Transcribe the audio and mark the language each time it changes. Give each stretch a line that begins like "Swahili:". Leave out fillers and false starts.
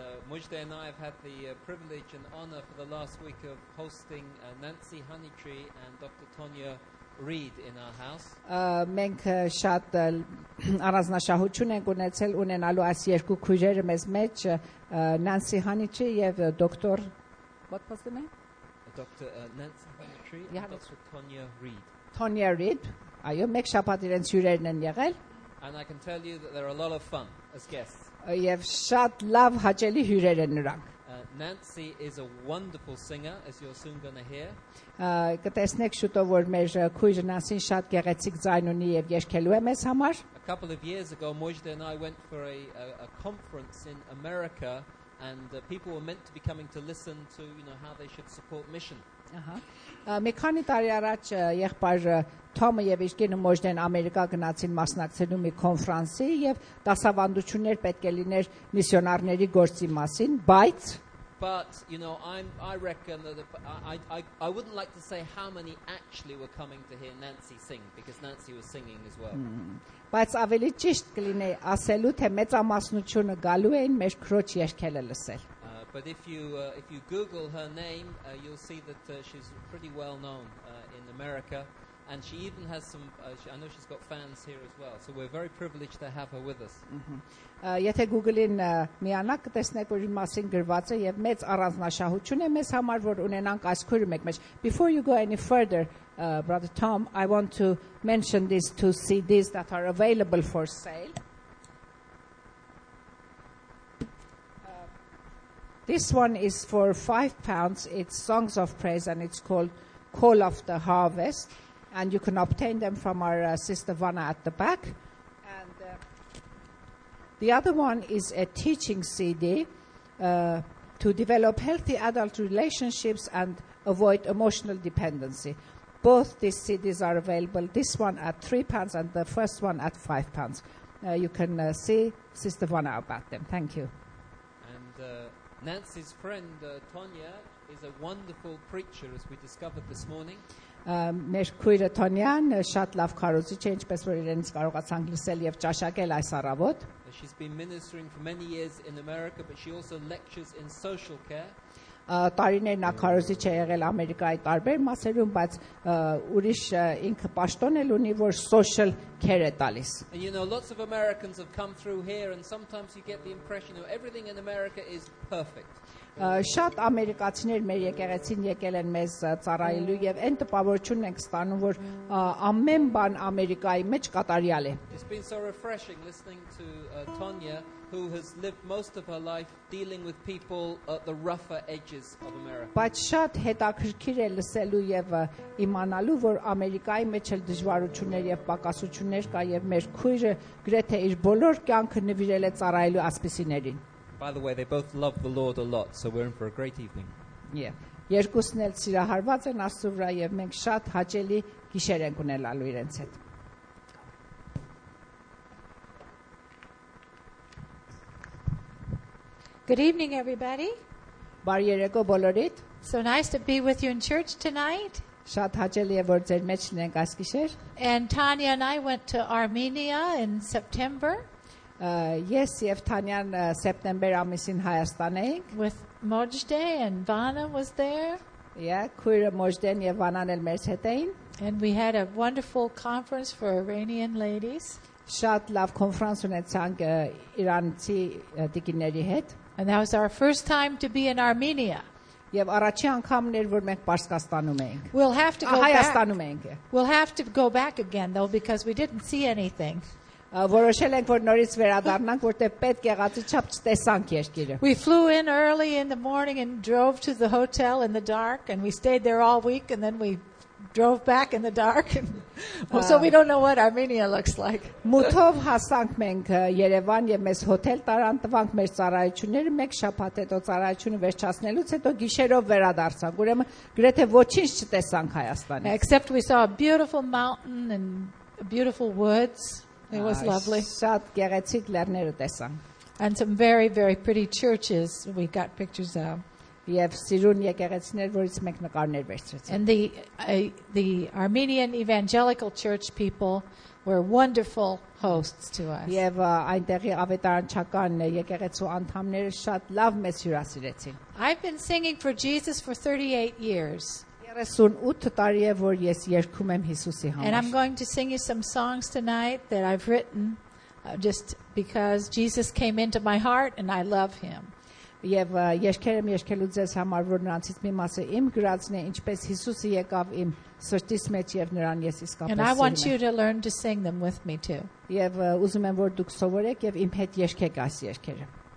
English: Mujde and I have had the privilege and honor for the last week of hosting Nancy Honeytree and Dr. Tonya Reed in our house.
Armenian: Մենք շատ առանձնահատկություն ենք ունեցել ունենալու այս երկու քույրերը մեզ մեջ, Nancy Honeytree եւ Dr.
English: What was the name? Dr. Nancy Honeytree and Dr. Tonya Reed. Tonya Reed.
Armenian: Այո, մեկ շաբաթ իրենց հյուրերն են եղել.
English: And I can tell you that there are a lot of fun as guests.
Armenian: Եվ շատ լավ հաճելի հյուրեր են նրանք.
English: Nancy is a wonderful singer, as you're soon going to hear.
Armenian: Կտեսնեք շուտով, որ մեր քույրը Նանսին շատ գեղեցիկ ձայն ունի եւ երգելու է մեզ համար.
English: A couple of years ago, Mojde and I went for a conference in America, and people were meant to be coming to listen to, you know, how they should support mission.
Armenian: Մի քանի տարի առաջ եղբայր Թոմը եւ իր կինը Մոժդեն Ամերիկա գնացին մասնակցելու մի կոնֆրանսի եւ դասավանդություններ պետք է լիներ միսիոնարների գործի մասին, բայց
English: But you know, I reckon that I wouldn't like to say how many actually were coming to hear Nancy sing because Nancy was singing as well.
Armenian: Բայց ավելի ճիշտ կլինի ասելու թե մեծամասնությունը գալու էին մեր քրոջ երգերը լսել.
English: But if you Google her name, you'll see that she's pretty well known in America, and she even has some. I know she's got fans here as well. So we're very privileged to have her with us.
Armenian: Եթե Google-ին միանաք, կտեսնեք, որ իր մասին գրված է եւ մեծ առանձնահատկություն է մեզ համար, որ ունենանք այս քույրը մեկ մեջ.
English: Before you go any further, Brother Tom, I want to mention these two CDs that are available for sale. This one is for £5. It's Songs of Praise and it's called Call of the Harvest. And you can obtain them from our sister Vanna at the back. And the other one is a teaching CD to develop healthy adult relationships and avoid emotional dependency. Both these CDs are available, this one at £3 and the first one at £5. You can see Sister Vanna about them. Thank you. And Nancy's friend, Tonya, is a wonderful preacher, as we discovered this morning.
Armenian: Մեր քույրը Թոնյան շատ լավ քարոզիչ է, ինչպես որ իրենից կարողացանք լսել եւ ճաշակել այս առավոտ։
English: She's been ministering for many years in America, but she also lectures in social care.
Armenian: Տարիներ նա քարոզիչ է եղել Ամերիկայի տարբեր մասերում, բայց ուրիշ ինքը պաշտոն էլ ունի, որ social care է տալիս։
English: You know, lots of Americans have come through here and sometimes you get the impression that everything in America is perfect.
Armenian: Շատ ամերիկացիներ մեր եկեղեցին եկել են մեզ ծառայելու եւ այն տպավորությունն ենք ստանում, որ ամեն բան Ամերիկայի մեջ կատարյալ է։
English: It's been so refreshing listening to Tonya, who has lived most of her life dealing with people at the rougher edges of America.
Armenian: Բայց շատ հետաքրքիր է լսելու եւ իմանալու, որ Ամերիկայի մեջ էլ դժվարություններ եւ պակասություններ կա եւ մեր քույրը գրեթե իր բոլոր կյանքը նվիրել է ծառայելու ասպիսիներին։
English: By the way, they both love the Lord a lot, so we're in for a great evening. Yeah.
Armenian: Երկուսն էլ սիրահարված են Աստծո վրա եւ մենք շատ հաճելի գիշեր ենք ունենալու իրենց հետ.
English: Good evening, everybody.
Armenian: Բարի երեկո բոլորիդ.
English: So nice to be with you in church tonight.
Armenian: Շատ հաճելի է, որ ձեր մեջ ենք այս գիշեր.
English: And Tanya and I went to Armenia in September.
Armenian: Yes, եւ Թանյան սեպտեմբեր ամսին Հայաստան էինք.
English: With Mojde and Vanna was there.
Armenian: Yeah, քույրը Մոջդեն եւ Վանան էլ մեզ հետ էին.
English: And we had a wonderful conference for Iranian ladies.
Armenian: Շատ լավ կոնֆրանս ունեցանք Իրանցի դիգիների հետ.
English: And that was our first time to be in Armenia.
Armenian: Եվ առաջի անգամն էր, որ մենք Պարսկաստանում էինք։
English: We'll have to go back.
Armenian: Հայաստանում էինք։
English: We'll have to go back again though because we didn't see anything.
Armenian: Որոշել ենք, որ նորից վերադառնանք, որտեղ պետք եղածի չափ չտեսանք երկիրը։
English: We flew in early in the morning and drove to the hotel in the dark and we stayed there all week and then we drove back in the dark. So we don't know what Armenia looks like.
Armenian: Մուտով հասանք մենք Երևան եւ մեզ հոթել տարան տվանք մեր ծառայությունները մեկ շաբաթ հետո ծառայությունը վերջացնելուց հետո գիշերով վերադարձանք։ Ուրեմն գրեթե ոչինչ չտեսանք Հայաստանից։
English: Except we saw a beautiful mountain and beautiful woods. It was lovely.
Armenian: Շատ գեղեցիկ լեռները տեսան.
English: And some very very pretty churches we got pictures of.
Armenian: Եվ սիրուն եկեղեցիներ, որից մեկ նկարներ վերցրեցին.
English: And the Armenian evangelical church people, were wonderful hosts to us.
Armenian: Եվ այնտեղի ավետարանչական եկեղեցու անդամները շատ լավ մեզ հյուրասիրեցին.
English: I've been singing for Jesus for 38 years.
Armenian: 38 տարի է որ ես երգում եմ Հիսուսի համար.
English: And I'm going to sing you some songs tonight that I've written just because Jesus came into my heart and I love him.
Armenian: Եվ երգեր եմ երգելու ձեզ համար, որ նրանցից մի մասը իմ գրածն է, ինչպես Հիսուսը եկավ իմ սրտիս մեջ եւ նրան ես իսկապես սիրում եմ.
English: And I want you to learn to sing them with me too.
Armenian: Եվ ուզում եմ, որ դուք սովորեք եւ իմ հետ երգեք այս երգերը.